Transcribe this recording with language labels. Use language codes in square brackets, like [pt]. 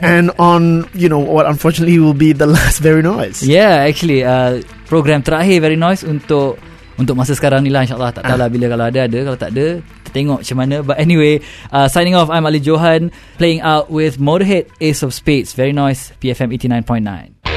[en] And on, you know, what unfortunately will be the last Very Noise. [ms] Yeah, actually, program terakhir Very Noise untuk masa sekarang ni lah, insyaAllah. Tak tahulah bila, kalau ada, kalau tak ada, kita tengok macam mana. [en] But anyway, signing off, I'm Ali Johan, playing out with Motorhead, Ace of Spades, Very Noise, PFM 89.9.